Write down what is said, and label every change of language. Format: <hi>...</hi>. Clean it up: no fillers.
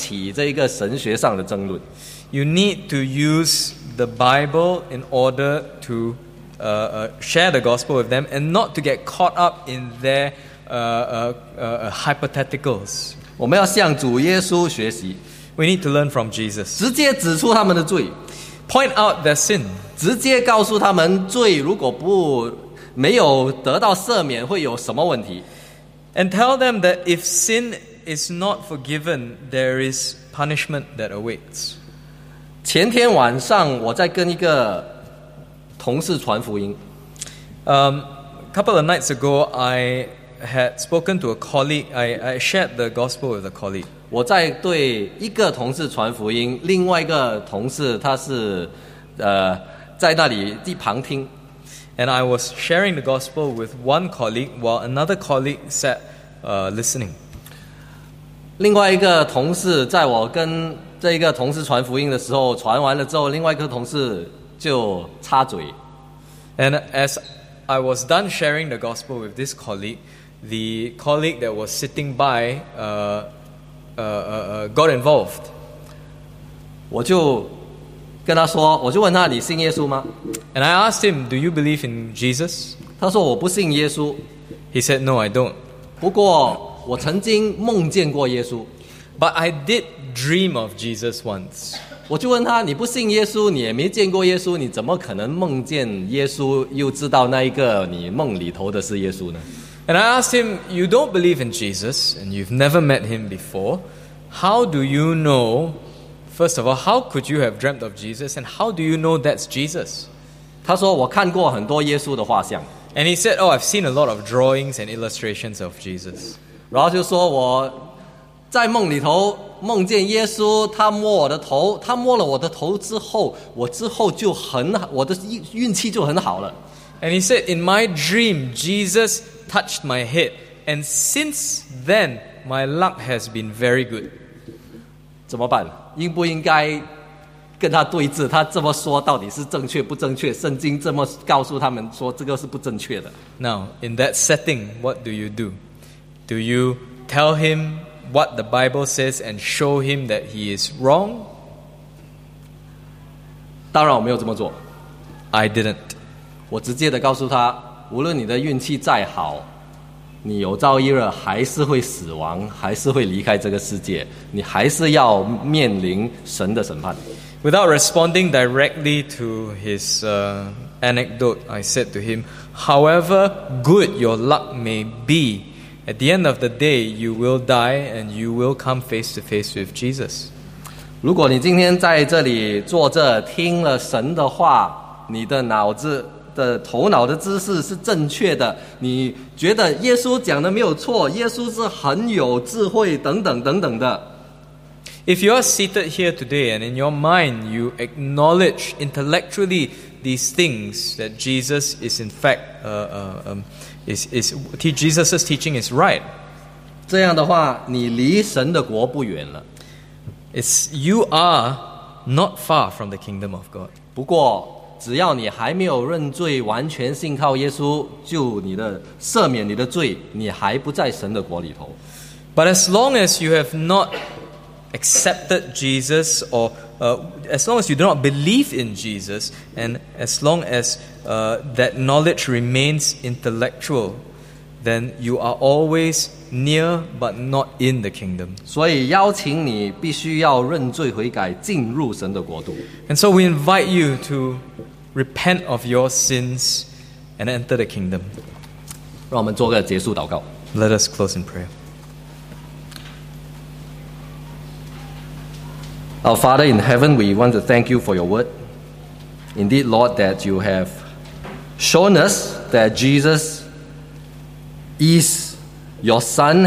<zh>你要针对他们的问题，向他们传福音，而不是跟他们起这个神学上的争论。</zh> <en>You need to use the Bible in order to share the gospel with them, and not to get caught up in their hypotheticals.</en> <zh>我们要向主耶稣学习。</zh> <en>We need to learn from Jesus.</en> <zh>直接指出他们的罪。</zh> <en>Point out their sin.</en> <zh>直接告诉他们罪如果不没有得到赦免会有什么问题。</zh> <en>And tell them that if sin is not forgiven, there is punishment that awaits.</en> <zh>前天晚上我在跟一个同事传福音。</zh> <en>A couple of nights ago, I had spoken to a colleague. I shared the gospel with a colleague.</en> <zh>我在对一个同事传福音，另外一个同事他是在那里一旁听。</zh> <en>And I was sharing the gospel with one colleague while another colleague sat listening.</en> <zh>另外一个同事在我跟这一个同事传福音的时候，传完了之后，另外一个同事就插嘴。</zh> <en>And as I was done sharing the gospel with this colleague, the colleague that was sitting by got involved.</en> <zh>我就跟他说，我就问他，你信耶稣吗？</zh> <en>And I asked him, do you believe in Jesus?</en> <zh>他说我不信耶稣。</zh> <en>He said, no, I don't.</en> <zh>不过我曾经梦见过耶稣。</zh> <en>But I did dream of Jesus once.</en> <zh>我就问他，你不信耶稣，你也没见过耶稣，你怎么可能梦见耶稣又知道那一个你梦里头的是耶稣呢？</zh> <en>And I asked him, you don't believe in Jesus and you've never met him before. How do you know? First of all, how could you have dreamt of Jesus and how do you know that's Jesus?</en> <zh>他说我看过很多耶稣的画像。</zh> <en>And he said, oh, I've seen a lot of drawings and illustrations of Jesus.</en> <zh>然后就说我在梦里头梦见耶稣，他摸我的头，他摸了我的头之后，我之后就很好，我的运气就很好了。</zh> <en>And he said, in my dream, Jesus touched my head, and since then, my luck has been very good.</en> <zh>怎么办？应不应该跟他对质？他这么说到底是正确不正确？圣经这么告诉他们说这个是不正确的。</zh> <en>Now, in that setting, what do you do? Do you tell him what the Bible says and show him that he is wrong?</en> <zh>当然我没有这么做。</zh> <en>I didn't.</en> <zh>我直接的告诉他，无论你的运气再好，你有朝一日还是会死亡，还是会离开这个世界，你还是要面临神的审判。</zh> <en>Without responding directly to his anecdote, I said to him, however good your luck may be, at the end of the day, you will die and you will come face to face with Jesus.</en> <zh>如果你今天在这里坐着听了神的话，你的脑子的头脑的知识是正确的，你觉得耶稣讲的没有错，耶稣是很有智慧等等等等的。</zh> <en>If you are seated here today and in your mind you acknowledge intellectually these things that Jesus is in fact Jesus' teaching is right,</en> <zh>这样的话你离神的国不远了。</zh> <en>It's you are not far from the kingdom of God.</en> <zh>不过只要你还没有认罪，完全信靠耶稣救你的赦免你的罪，你还不在神的国里头。</zh> <en>But as long as you have not accepted Jesus, or as long as you do not believe in Jesus, and as long as that knowledge remains intellectual, then you are always near but not in the kingdom.</en> <zh>所以邀请你必须要认罪悔改，进入神的国度。</zh> <en>And so we invite you to repent of your sins and enter the kingdom.</en> <zh>让我们做个结束祷告。</zh> <en>Let us close in prayer. Our Father in heaven, we want to thank you for your word. Indeed, Lord, that you have shown us that Jesus is your Son.</en>